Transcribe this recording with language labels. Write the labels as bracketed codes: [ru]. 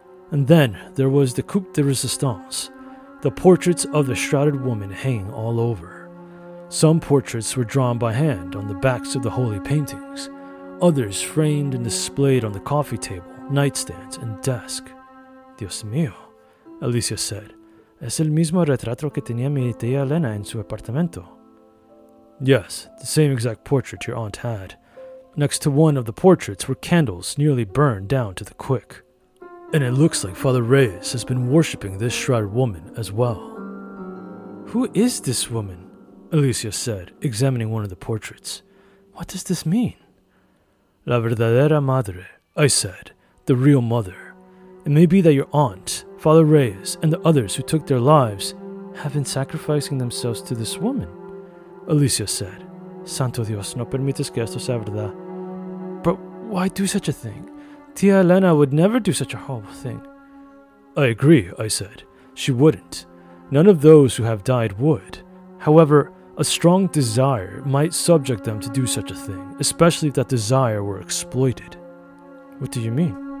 [en] And then there was the Coupe de Resistance, the portraits of the shrouded woman hanging all over. Some portraits were drawn by hand on the backs of the holy paintings, others framed and displayed on the coffee table, nightstands, and desk. [es] Dios mío, Alicia said. Es el mismo retrato que tenía mi tía Elena en su apartamento. [en] Yes, the same exact portrait your aunt had. Next to one of the portraits were candles nearly burned down to the quick. And it looks like Father Reyes has been worshipping this shrouded woman as well. Who is this woman? Alicia said, examining one of the portraits. What does this mean? [es] La verdadera madre, [en] I said, the real mother. It may be that your aunt, Father Reyes, and the others who took their lives have been sacrificing themselves to this woman, Alicia said. [es] Santo Dios, no permites que esto sea verdad. [en] But why do such a thing? Tia Elena would never do such a horrible thing. I agree, I said. She wouldn't. None of those who have died would. However, a strong desire might subject them to do such a thing, especially if that desire were exploited. What do you mean?